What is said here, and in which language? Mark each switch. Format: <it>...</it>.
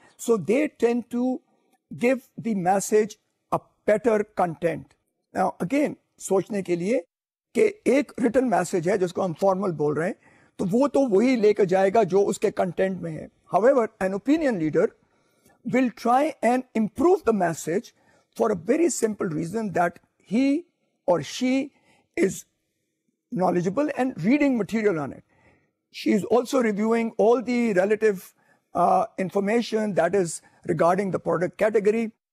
<en>So they tend to give the message a better content. Now, again,</en> <ur>سوچنے کے لیے کہ ایک written message ہے جس کو ہم formal بول رہے ہیں, تو وہ تو وہی لے کر جائے گا جو اس کے content میں ہے.</ur> <en>However, an opinion leader will try and improve the message for a very simple reason, that he or she is knowledgeable and reading material on it. She is also reviewing all the relative information that is regarding the product category.</en>